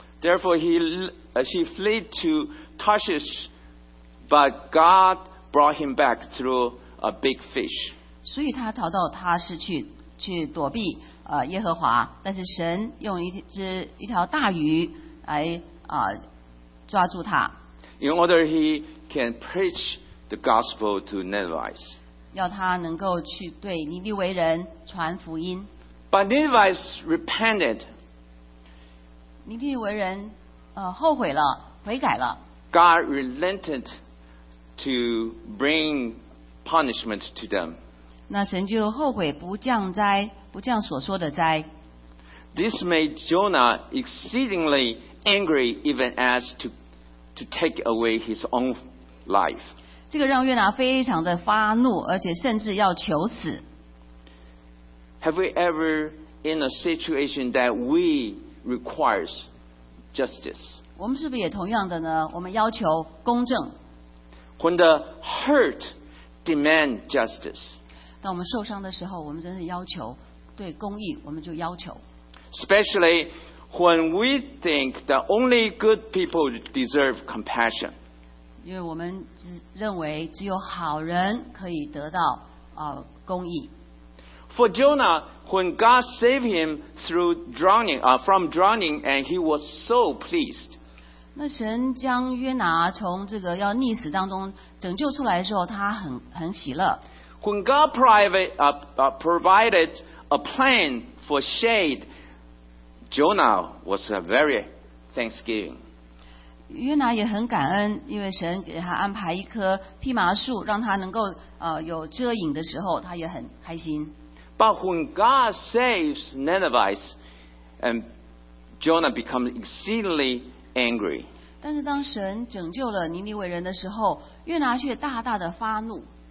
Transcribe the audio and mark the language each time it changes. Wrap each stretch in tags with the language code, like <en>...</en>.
<en>Therefore he fled to Tarshish, but God brought him back through a big fish.</en> <zh>所以他逃到他是去躲避耶和华，但是神用一条大鱼来抓住他。</zh> <en>In order he can preach the gospel to Ninevites.</en> <zh>要他能够去对尼尼微人传福音。</zh> <en>But Ninevites repented.</en> <zh>尼尼微人后悔了，悔改了。</zh> <en>God relented to bring punishment to them.</en> <zh>那神就后悔不降灾。不降所说的灾。</zh> <en>This made Jonah exceedingly angry, even as to take away his own life.</en> <zh>这个让约拿非常的发怒，而且甚至要求死。</zh> <en>Have we ever in a situation that we requires justice?</en> <zh>我们是不是也同样的呢？我们要求公正。</zh> <en>When the hurt demand justice.</en> <zh>当我们受伤的时候，我们真的要求。对公义，我们就要求。</zh> <en>Especially when we think that only good people deserve compassion.</en> <zh>因为我们只认为只有好人可以得到公义。</zh> <en>For Jonah, when God saved him through drowning, from drowning, and he was so pleased.</en> <zh>那神将约拿从这个要溺死当中拯救出来的时候，他很喜乐。</zh> <en>When God provided a plan for shade, Jonah was very thanksgiving.</en> <zh>约拿也很感恩，因为神给他安排一棵蓖麻树，让他能够有遮影的时候，他也很开心。</zh> <en>But when God saves Ninevites, and Jonah becomes exceedingly angry.</en> <zh>但是当神拯救了尼尼微人的时候，约拿却大大的发怒。</zh>